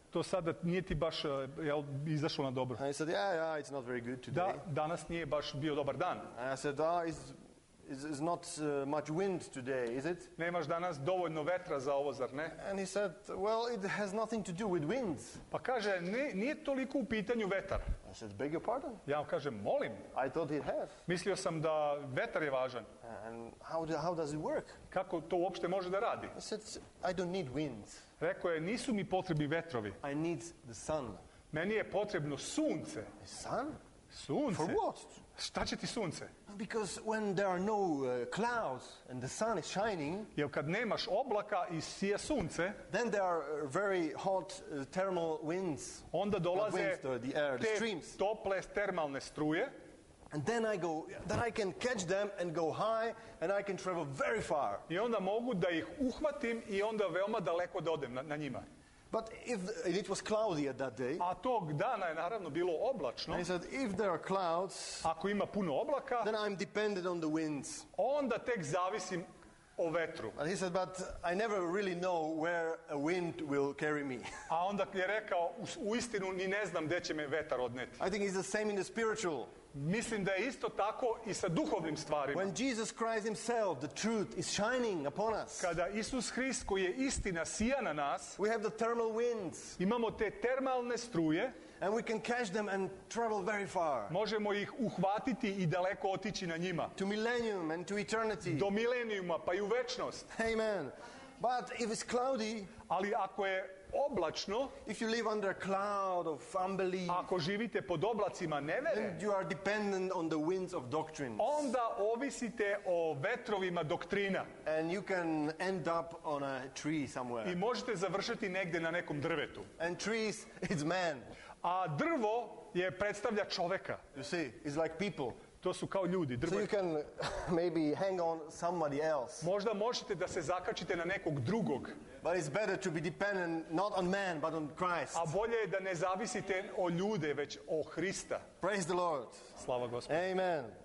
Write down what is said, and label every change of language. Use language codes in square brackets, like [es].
[sr] To sada nije ti baš izašlo na dobro. [en] I said, yeah, it's not very good today. [sr] Da, danas nije baš bio dobar dan. [en] And I said, is not much wind today, is it? [sr] Nemaš danas dovoljno vetra za ovo, zar ne? [en] And he said, well, it has nothing to do with winds. [sr] Pa kaže, nije toliko u pitanju vetar. [en] I said, beg your pardon? [sr] Ja vam kažem, molim. [en] I thought it has. [sr] Mislio sam da vetar je važan. [en] And how does it work? [sr] Kako to uopšte može da radi? [en] I said, I don't need winds. [sr] Rekao je, nisu mi potrebni vetrovi. [en] I need the sun. [sr] Meni je potrebno sunce. [en] The sun? [sr] Sunce. [en] For what? [sr] Šta će ti sunce? [en] Because when there are no clouds and the sun is shining, [sr] jer kad nemaš oblaka i sije sunce, [en] then there are very hot thermal winds. [sr] Onda dolaze [en] winds, the air, [sr] te [en] the streams. [sr] Tople termalne struje. [en] And then I go, then I can catch them and go high and I can travel very far. [sr] I onda mogu da ih uhvatim i onda veoma daleko da odem na njima. [en] But if it was cloudy at that day, [sr] a tog dana je naravno bilo oblačno. [en] And he said, if there are clouds, [sr] ako ima puno oblaka, [en] then I'm dependent on the winds. [sr] Onda tek zavisim o vetru. [en] And he said, but I never really know where a wind will carry me. [sr] A onda je rekao, uistinu ni ne znam gde će me vetar odneti. [en] I think it's the same in the spiritual. [sr] Mislim da je isto tako i sa duhovnim stvarima. [en] When Jesus Christ himself, the truth, is shining upon us. [sr] Kada Isus Hrist, koji je istina, sija na nas. [en] We have the thermal winds. [sr] Imamo te termalne struje. [en] And we can catch them and travel very far. [sr] Možemo ih uhvatiti i daleko otići na njima. [en] To millennium and to eternity. [sr] Do milenijuma, pa i u večnost. [en] Amen. But if it's cloudy, [sr] ali ako je oblačno, [en] if you live under a cloud of unbelief, [sr] ako živite pod oblacima nevere, [en] then you are dependent on the winds of doctrine. [sr] Onda ovisite o vetrovima doktrina. [en] And you can end up on a tree somewhere. [sr] I možete završiti negde na nekom drvetu. [en] And trees is man. [sr] A drvo je predstavlja čoveka. [en] You see, it's like people. [sr] To su kao ljudi, drvo. [en] So you can maybe hang on somebody else. [sr] Možda možete da se zakačite na nekog drugog. [en] But it's better to be dependent not on man but on Christ. [sr] A bolje je da ne zavisite o ljude već o Hrista. [en] Praise the Lord. [sr] Slava Gospodu. [en] Amen.